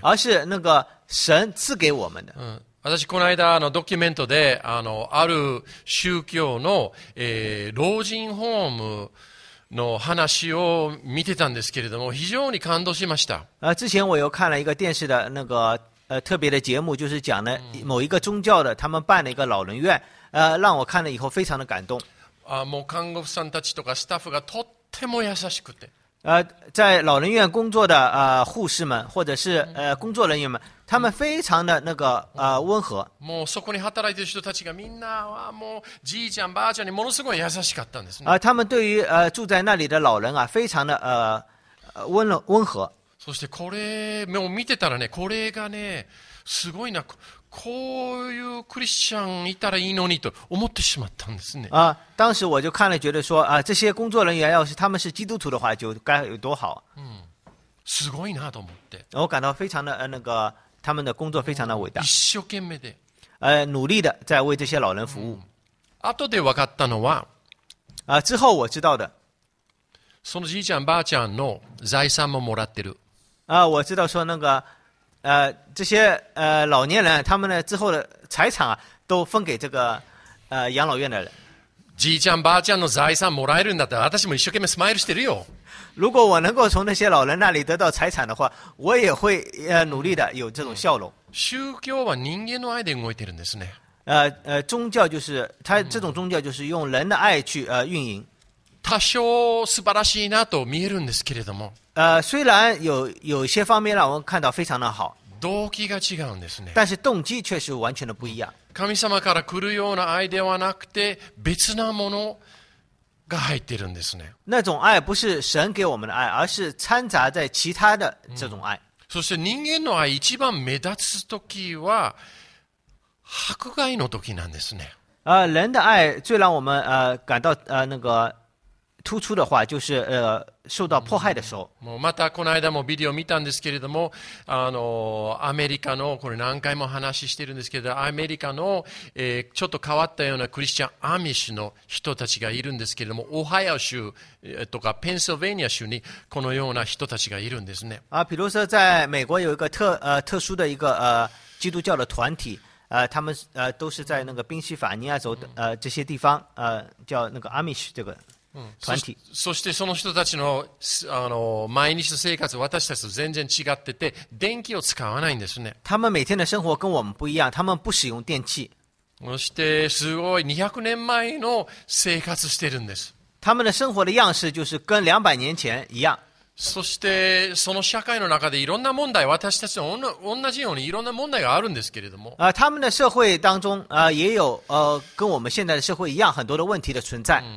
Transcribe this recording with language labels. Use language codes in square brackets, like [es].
[zh] 而是那个神赐给我们的。 [ja] 私この間ドキュメントで ある宗教の、老人ホームの話を見てたんですけれども、非常に感動しました。 [zh] 之前我又看了一个电视的那个特别的节目，就是讲的某一个宗教的，他们办了一个老人院，让我看了以后非常的感动。 [ja] もう看護婦さんたちとかスタッフがとっても優しくて。 [zh] 在老人院工作的护士们或者是工作人员们，他们非常的那个温和。 [ja] もうそこに働いてる人たちがみんなはもうじいちゃんばあちゃんにものすごい優しかったんですね。 [zh] 他们对于住在那里的老人啊，非常的温和。 [ja] そしてこれもう見てたらね、これがねすごいな。こういうクリスチャンいたらいいのにと思ってしまったんですね。 [zh] 啊，当时我就看了，觉得说啊，这些工作人员要是他们是基督徒的话，就该有多好。 [ja] 嗯，すごいなと思って。 [zh] 我感到非常的那个他们的工作非常的伟大。 [ja] 一生懸命で。 [zh] 努力的在为这些老人服务。 [ja] あとで分かったのは、 [zh] 啊，之后我知道的。 [ja] そのじいちゃんばあちゃんの財産ももらってる。 [zh] 啊，我知道说那个。这些老年人他们的之后的财产、啊、都分给这个养老院的人。 [ja] じいちゃんばあちゃんの財産もらえるんだったら私も一生懸命スマイルしてるよ。 [zh] 如果我能够从那些老人那里得到财产的话，我也会努力的有这种笑容。 [ja] 宗教は人間の愛で動いてるんですね。 [zh] 宗教就是他这种宗教就是用人的爱去运营。 [ja] 多少素晴らしいなと見えるんですけれども。 [zh] 虽然有一些方面让我看到非常的好， [ja] 動機が違うんですね。 [zh] 但是动机却是完全的不一样。 [ja] 神様から来るような愛ではなくて別なものが入ってるんですね。 [zh] 那种爱不是神给我们的爱，而是掺杂在其他的这种爱。 [ja] そして人間の愛一番目立つ時は迫害の時なんですね。 [zh] 人的爱最让我们感到那个。突出的话就是受到迫害的时候。 [ja] もうまたこの間もビデオ見たんですけれども、アメリカのこれ何回も話してるんですけど、アメリカの、ちょっと変わったようなクリスチャンアミッシュの人たちがいるんですけれども、オハイオ州、とかペンシルベニア州にこのような人たちがいるんですね。 [zh] 啊，比如说在美国有一个特殊的一个基督教的团体。他们都是在那个宾夕法尼亚州这些地方叫那个阿米什这个。团体。 [ja] そしてその人たちの、毎日の生活私たちと全然違ってて電気を使わないんですね。 [zh] 他们每天的生活跟我们不一样，他们不使用电器。 [ja] そしてすごい200年前の生活してるんです。 [zh] 他们的生活的样式就是跟200年前一样。 [ja] そしてその社会の中でいろんな問題私たちと同じようにいろんな問題があるんですけれども。 [zh] 他们的社会当中也有跟我们现在的社会一样很多的问题的存在。